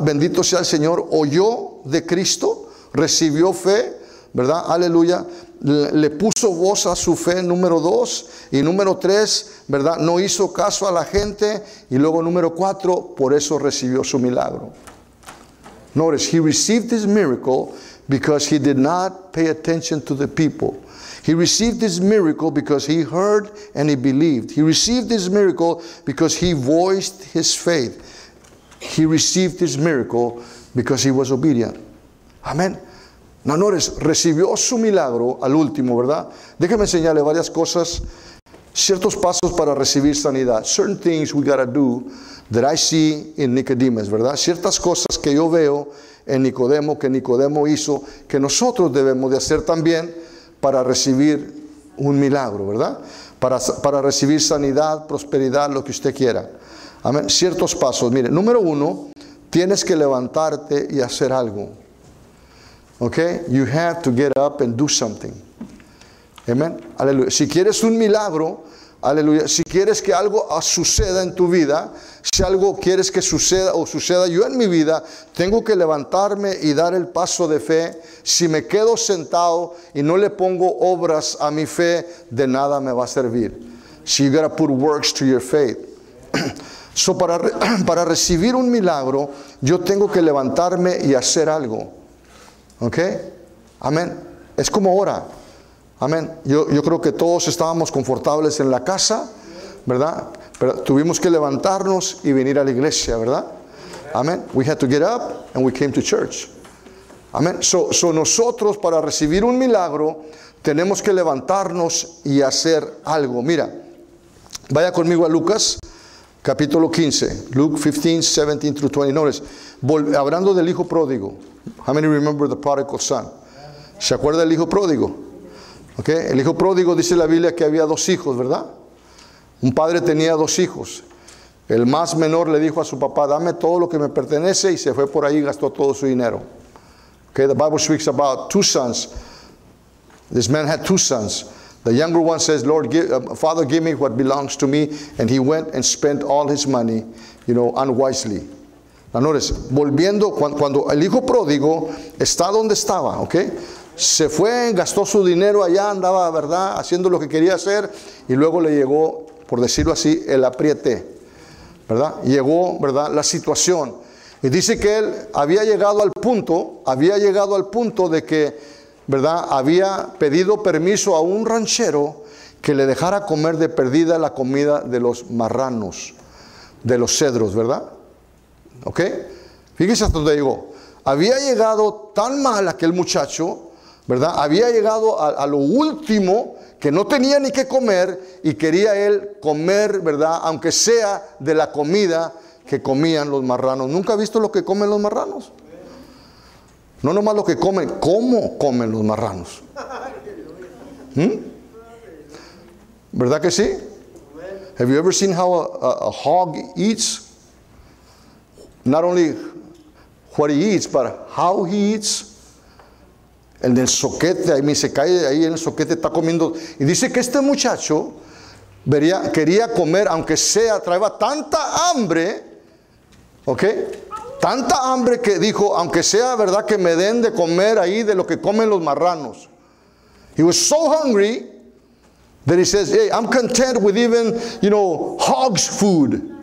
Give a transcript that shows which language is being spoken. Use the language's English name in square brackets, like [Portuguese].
[Spanish] Bendito sea el Señor. Oyó de Cristo, recibió fe, ¿verdad? Aleluya. Le puso voz a su fe, número dos. Y número tres, ¿verdad? No hizo caso a la gente. Y luego, número cuatro, por eso recibió su milagro. [English] Notice, he received his miracle because he did not pay attention to the people. He received this miracle because he heard and he believed. He received this miracle because he voiced his faith. He received this miracle because he was obedient. [Spanish] Amén. [English] Now notice, [Spanish] recibió su milagro al último, ¿verdad? Déjeme enseñarle varias cosas, ciertos pasos para recibir sanidad. [English] Certain things we gotta do that I see in Nicodemus, [Spanish] ¿verdad? Ciertas cosas que yo veo en Nicodemo, que Nicodemo hizo, que nosotros debemos de hacer también, para recibir un milagro, ¿verdad? Para recibir sanidad, prosperidad, lo que usted quiera. Amén. Ciertos pasos. Mire, número uno, tienes que levantarte y hacer algo. ¿Ok? [English] You have to get up and do something. [Spanish] Amén. Aleluya. Si quieres un milagro, aleluya. Si quieres que algo suceda en tu vida, si algo quieres que suceda o suceda yo en mi vida, tengo que levantarme y dar el paso de fe. Si me quedo sentado y no le pongo obras a mi fe, de nada me va a servir. [English] So you gotta put works to your faith. [Spanish] So para recibir un milagro, yo tengo que levantarme y hacer algo. ¿Ok? Amén. Es como ahora. Amén. Yo creo que todos estábamos confortables en la casa, ¿verdad? Pero tuvimos que levantarnos y venir a la iglesia, ¿verdad? Amén. [English] We had to get up and we came to church. [Spanish] Amén. So nosotros para recibir un milagro tenemos que levantarnos y hacer algo. Mira, vaya conmigo a Lucas capítulo 15. [English] Luke 15, 17 through 20. Notice, [Spanish] hablando del hijo pródigo. [English] How many remember the prodigal son? [Spanish] ¿Se acuerda del hijo pródigo? [English] Okay. [Spanish] El hijo pródigo, dice la Biblia, que había dos hijos, ¿verdad? Un padre tenía dos hijos. El más menor le dijo a su papá, dame todo lo que me pertenece, y se fue por ahí y gastó todo su dinero. [English] Okay. The Bible speaks about two sons. This man had two sons. The younger one says, Lord, Father, give me what belongs to me. And he went and spent all his money, you know, unwisely. Now notice, [Spanish] volviendo, cuando el hijo pródigo está donde estaba, ¿ok? Se fue, gastó su dinero allá, andaba, ¿verdad?, haciendo lo que quería hacer, y luego le llegó, por decirlo así, el apriete, ¿verdad? Llegó, ¿verdad?, la situación. Y dice que él había llegado al punto de que, ¿verdad?, había pedido permiso a un ranchero que le dejara comer de perdida la comida de los marranos, de los cedros, ¿verdad? ¿Ok? Fíjese hasta dónde llegó. Había llegado tan mal aquel muchacho, ¿verdad? Había llegado a lo último, que no tenía ni qué comer, y quería él comer, ¿verdad?, aunque sea de la comida que comían los marranos. ¿Nunca ha visto lo que comen los marranos? No nomás lo que comen, ¿cómo comen los marranos? ¿Verdad que sí? [English] Have you ever seen how a hog eats? Not only what he eats, but how he eats. [Spanish] En el soquete, ahí se cae, ahí en el soquete está comiendo. Y dice que este muchacho quería comer, aunque sea, traía tanta hambre, ¿ok? Tanta hambre que dijo, aunque sea verdad que me den de comer ahí de lo que comen los marranos. [English] He was so hungry that he says, hey, I'm content with even, you know, hog's food.